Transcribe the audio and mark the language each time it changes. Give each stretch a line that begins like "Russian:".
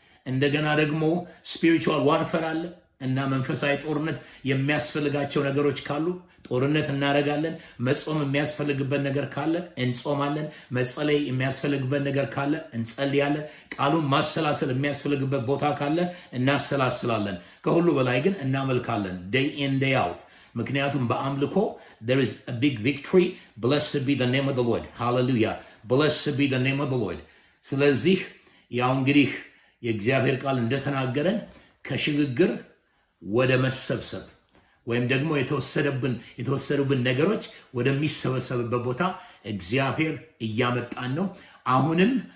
Amharic: እንደገና ደግሞ spiritual warfare አለ እና መንፈሳዊ ጦርነት የሚያስፈልጋቸው ነገሮች ካሉ ጦርነት እናረጋለን። መጾም የሚያስፈልግበት ነገር ካለ እንጾማለን። መጸለይ የሚያስፈልግበት ነገር ካለ እንጸልያለን። ቃሉን ማሰላሰል የሚያስፈልግበት ቦታ ካለ እናሰላስላለን። ከሁሉ በላይ ግን እናመልካለን
English: day in day out.
Amharic: ምክንያቱም በአምልኮ
English: there is a big victory. Blessed be the name of the Lord. Hallelujah. Blessed be the name of the Lord.
Amharic: ስለዚህ ያው እንግዲህ የእግዚአብሔር ቃል እንደተናገረን ከሽግግር ወደ መሰብሰብ ወይም ደግሞ የተወሰደብን ነገሮች ወደሚሰበሰብበት ቦታ እግዚአብሔር እያመጣን ነው። አሁንም